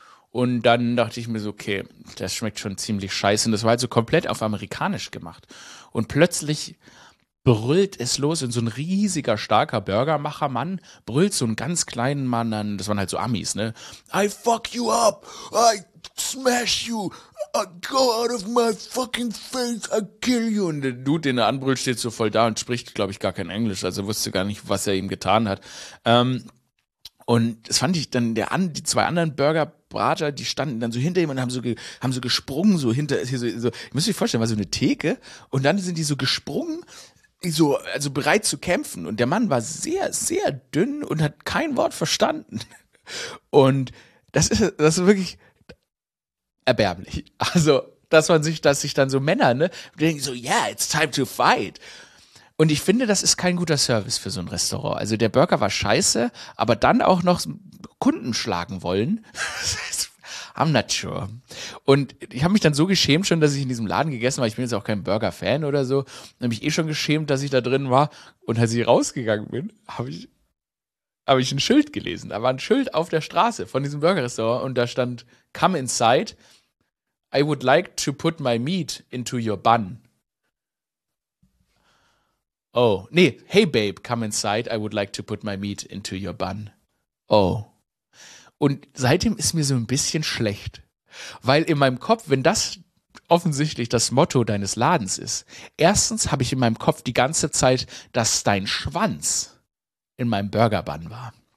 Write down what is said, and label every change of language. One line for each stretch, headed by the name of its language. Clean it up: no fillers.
German: Und dann dachte ich mir so, okay, das schmeckt schon ziemlich scheiße. Und das war halt so komplett auf amerikanisch gemacht. Und plötzlich brüllt es los und so ein riesiger, starker Burgermacher-Mann brüllt so einen ganz kleinen Mann an, das waren halt so Amis, ne?
English: I fuck you up! I smash you! I go out of my fucking face! I kill you!
German: Und der Dude, den er anbrüllt, steht so voll da und spricht, glaube ich, gar kein Englisch. Also wusste gar nicht, was er ihm getan hat. Und das fand ich dann, die zwei anderen Burger-Brater, die standen dann so hinter ihm und haben so gesprungen, so hinter, hier so, ihr müsst euch vorstellen, war so eine Theke und dann sind die so gesprungen, so, also bereit zu kämpfen. Und der Mann war sehr, sehr dünn und hat kein Wort verstanden. Und das ist wirklich erbärmlich. Also, dass sich dann so Männer, ne, denken so,
English: yeah, it's time to fight.
German: Und ich finde, das ist kein guter Service für so ein Restaurant. Also der Burger war scheiße, aber dann auch noch Kunden schlagen wollen.
English: I'm not sure.
German: Und ich habe mich dann so geschämt schon, dass ich in diesem Laden gegessen war. Ich bin jetzt auch kein Burger-Fan oder so. Dann habe ich eh schon geschämt, dass ich da drin war. Und als ich rausgegangen bin, habe ich ein Schild gelesen. Da war ein Schild auf der Straße von diesem Burger-Restaurant. Und da stand,
English: come inside. I would like to put my meat into your bun.
German: Oh, nee,
English: hey babe, come inside, I would like to put my meat into your bun. Oh.
German: Und seitdem ist mir so ein bisschen schlecht. Weil in meinem Kopf, wenn das offensichtlich das Motto deines Ladens ist, erstens habe ich in meinem Kopf die ganze Zeit, dass dein Schwanz in meinem Burger-Bun war.